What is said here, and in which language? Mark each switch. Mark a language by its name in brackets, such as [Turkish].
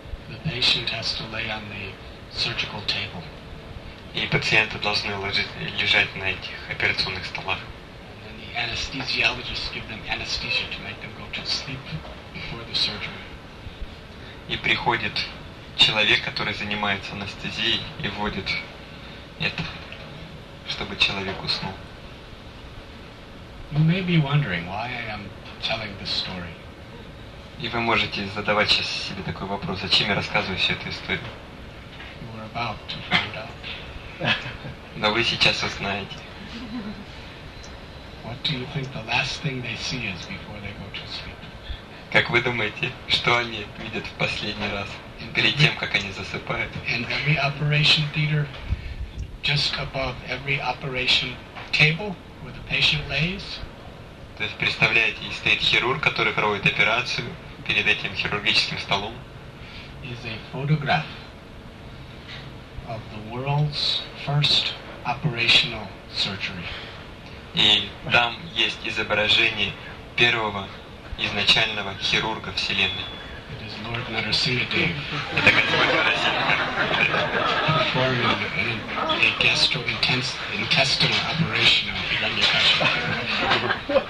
[English] The patient has to lay on the surgical table. [Russian] И пациенты должны лежать на этих операционных столах. [English] And then the anesthesiologists give them anesthesia to make them go to sleep before the surgery. [Russian] И приходит человек, который занимается анестезией, и вводит это, чтобы человек уснул. [English] You may be wondering why I am telling this story. [Russian] И вы можете задавать сейчас себе такой вопрос, зачем я рассказываю всю эту историю? [English] You are about to find out. [Russian] Но вы сейчас узнаете. [English] What do you think the last thing they see is before they go to sleep? [Russian] Как вы думаете, что они видят в последний раз, перед тем, как они засыпают? [English] In every operation theater, just above every operation table where the patient lays. [Russian] То есть, представляете, стоит хирург, который проводит операцию перед этим хирургическим столом. [English] Is a photograph of the world's first operational surgery. [Russian] И там есть изображение первого изначального хирурга Вселенной. [English] It is Lord Narasimha Dev. [Russian] Это Господь Нарасимха. [English] Performing a gastrointestinal operation on Hiranyakashipu.